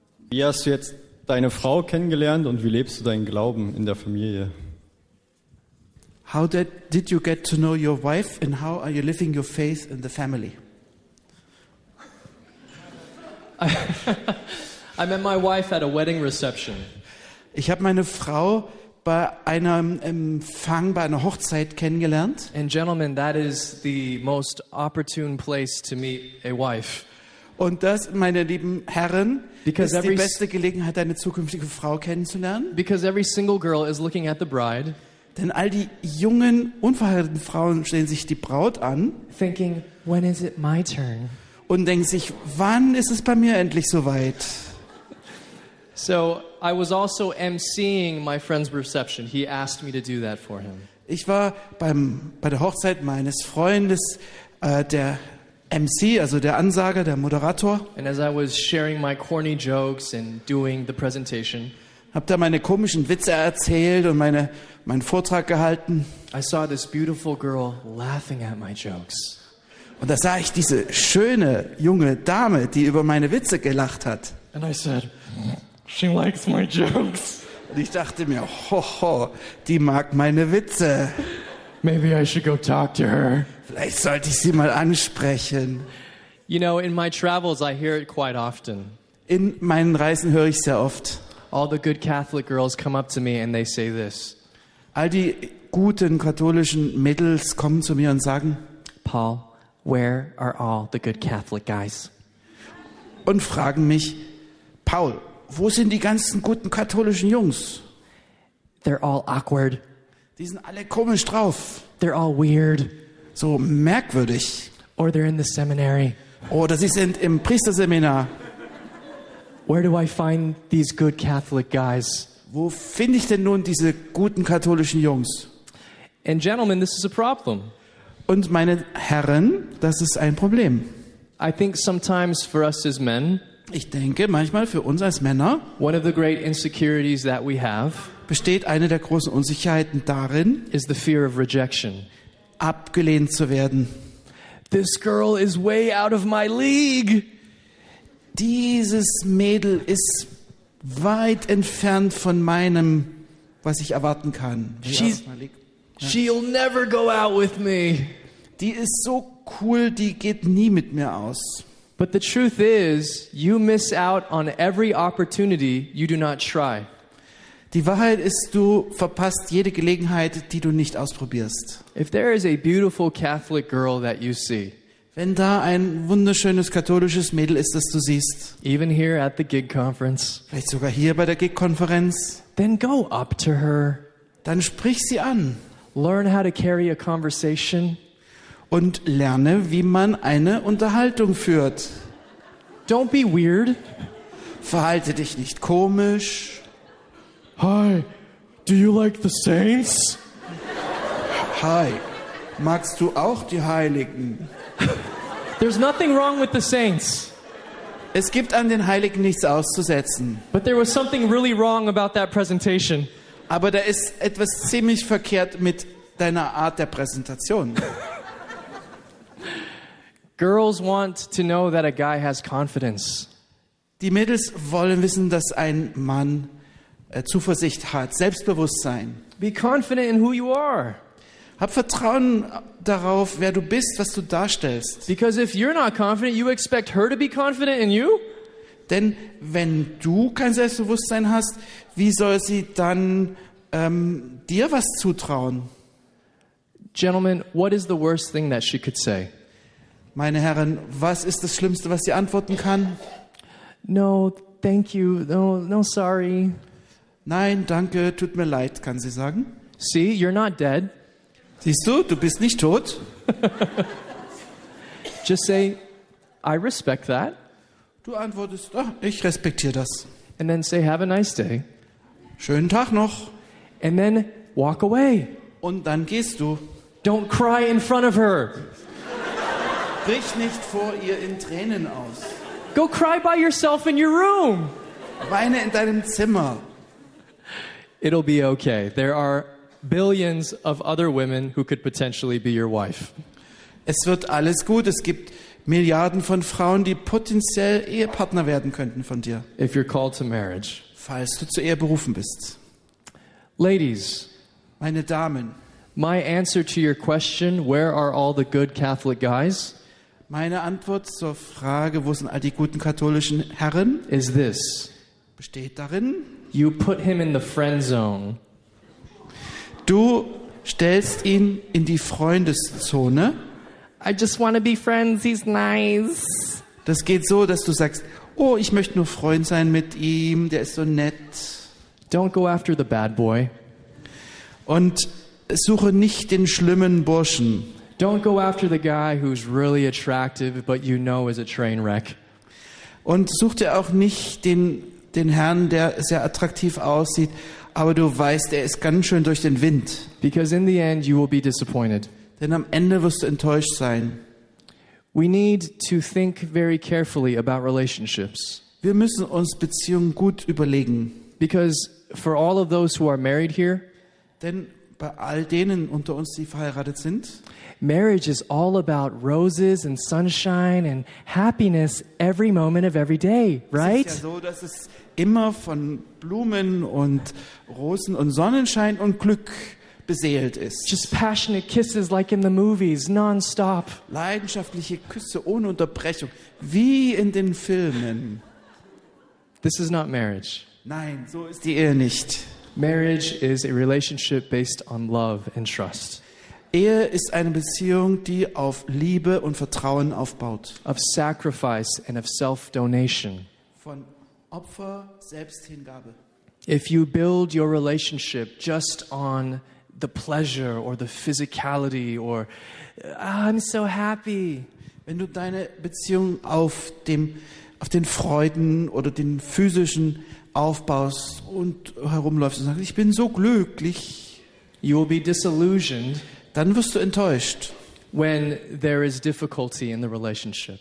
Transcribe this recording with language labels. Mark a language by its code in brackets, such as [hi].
[de] Wie hast du jetzt deine Frau kennengelernt und wie lebst du deinen Glauben in der Familie? [en] How did you get to know your wife and how are you living your faith in the family? I met my wife at a wedding reception. [de] Ich habe meine Frau bei einem Empfang, bei einer Hochzeit kennengelernt. [en] And gentlemen, that is the most opportune place to meet a wife. [de] Und das, meine lieben Herren, [en] because [de] ist die beste Gelegenheit, eine zukünftige Frau kennenzulernen. [en] Because every single girl is looking at the bride. [de] Denn all die jungen, unverheirateten Frauen stellen sich die Braut an. [en] Thinking, when is it my turn? [de] Und denken sich, wann ist es bei mir endlich soweit? [en] So, I was also emceeing my friend's reception. He asked me to do that for him. [de] Ich war bei der Hochzeit meines Freundes, der MC, also der Ansager, der Moderator. [en] And as I was sharing my corny jokes and doing the presentation, [de] hab da meine komischen Witze erzählt und meinen Vortrag gehalten. [en] I saw this beautiful girl laughing at my jokes. [de] Und da sah ich diese schöne junge Dame, die über meine Witze gelacht hat. [en] And I said, she likes my jokes. [de] Und ich dachte mir, hoho, die mag meine Witze. [en] Maybe I should go talk to her. [de] Vielleicht sollte ich sie mal ansprechen. [en] You know, in my travels I hear it quite often. [de] In meinen Reisen höre ich sehr oft. [en] All the good Catholic girls come up to me and they say this. [de] All die guten katholischen Mädels kommen zu mir und sagen, [en] Paul, where are all the good Catholic guys? [de] Und fragen mich, Paul, wo sind die ganzen guten katholischen Jungs? [en] They're all awkward. [de] Die sind alle komisch drauf. [en] They're all weird. [de] So merkwürdig. [en] Or they're in the seminary. [de] Oder sie sind im Priesterseminar. [en] Where do I find these good Catholic guys? [de] Wo finde ich denn nun diese guten katholischen Jungs? [en] And gentlemen, this is a problem. [de] Und meine Herren, das ist ein Problem. [en] I think sometimes for us as men, [de] ich denke, manchmal für uns als Männer, [en] one of the great insecurities that we have, [de] besteht eine der großen Unsicherheiten darin, [en] is the fear of rejection, [de] abgelehnt zu werden. [en] This girl is way out of my league. [de] Dieses Mädel ist weit entfernt von meinem, was ich erwarten kann. [en] She'll never go out with me. [de] Die ist so cool, die geht nie mit mir aus. [en] But the truth is, you miss out on every opportunity you do not try. [de] Die Wahrheit ist, du verpasst jede Gelegenheit, die du nicht ausprobierst. [en] If there is a beautiful Catholic girl that you see, [de] wenn da ein wunderschönes katholisches Mädel ist, das du siehst, [en] even here at the gig conference, [de] vielleicht sogar hier bei der Gig-Konferenz, [en] then go up to her. [de] Dann sprich sie an. [en] Learn how to carry a conversation. [de] Und lerne, wie man eine Unterhaltung führt. [en] Don't be weird. [de] Verhalte dich nicht komisch. [en] Hi, do you like the saints? [de] Hi, magst du auch die Heiligen? [en] There's nothing wrong with the saints. [de] Es gibt an den Heiligen nichts auszusetzen. [en] But there was something really wrong about that presentation. [de] Aber da ist etwas ziemlich verkehrt mit deiner Art der Präsentation. [en] Girls want to know that a guy has confidence. [de] Die Mädels wollen wissen, dass ein Mann Zuversicht hat, Selbstbewusstsein. [en] Be confident in who you are. [de] Hab Vertrauen darauf, wer du bist, was du darstellst. [en] Because if you're not confident, you expect her to be confident in you? [de] Denn wenn du kein Selbstbewusstsein hast, wie soll sie dann dir was zutrauen? [en] Gentlemen, what is the worst thing that she could say? [de] Meine Herren, was ist das Schlimmste, was sie antworten kann? [en] No, thank you. No, no, sorry. [de] Nein, danke, tut mir leid, kann sie sagen. [en] See, you're not dead. [de] Siehst du, du bist nicht tot. [en] Just say, I respect that. [de] Du antwortest, oh, ich respektiere das. [en] And then say, have a nice day. [de] Schönen Tag noch. [en] And then walk away. [de] Und dann gehst du. [en] Don't cry in front of her. [de] Sprich nicht vor ihr in Tränen aus. [en] Go cry by yourself in your room. [de] Weine in deinem Zimmer. [en] It'll be okay. There are billions of other women who could potentially be your wife. [de] Es wird alles gut. Es gibt Milliarden von Frauen, die potenziell Ehepartner werden könnten von dir. [en] If you're called to marriage. [de] Falls du zur Ehe berufen bist. [en] Ladies, [de] meine Damen, [en] my answer to your question, where are all the good Catholic guys? [de] Meine Antwort zur Frage, wo sind all die guten katholischen Herren? [en] Is this. [de] Besteht darin, [en] you put him in the friend zone. [de] Du stellst ihn in die Freundeszone. [en] I just want to be friends, he's nice. [de] Das geht so, dass du sagst, oh, ich möchte nur Freund sein mit ihm, der ist so nett. [en] Don't go after the bad boy. [de] Und suche nicht den schlimmen Burschen. [en] Don't go after the guy who's really attractive, but you know is a train wreck. [de] Und such dir auch nicht den Herrn, der sehr attraktiv aussieht, aber du weißt, er ist ganz schön durch den Wind. [en] Because in the end you will be disappointed. [de] Denn am Ende wirst du enttäuscht sein. [en] We need to think very carefully about relationships. [de] Wir müssen uns Beziehungen gut überlegen. [en] Because for all of those who are married here, [de] denn bei all denen unter uns, die verheiratet sind, [en] marriage is all about roses and sunshine and happiness every moment of every day, right? [de] Es ist ja so, dass es immer von Blumen und Rosen und Sonnenschein und Glück beseelt ist. [en] Just passionate kisses like in the movies, non-stop. [de] Leidenschaftliche Küsse ohne Unterbrechung, wie in den Filmen. [en] This is not marriage. [de] Nein, so ist die Ehe nicht. [en] Marriage is a relationship based on love and trust. [de] Ehe ist eine Beziehung, die auf Liebe und Vertrauen aufbaut. [en] Of sacrifice and of self-donation. [de] Von Opfer, Selbsthingabe. [en] If you build your relationship just on the pleasure or the physicality or I'm so happy. [de] Wenn du deine Beziehung auf den Freuden oder den physischen aufbaust und herumläufst und sagst, ich bin so glücklich. [en] You will be disillusioned. [de] Dann wirst du enttäuscht. [en] When there is difficulty in the relationship.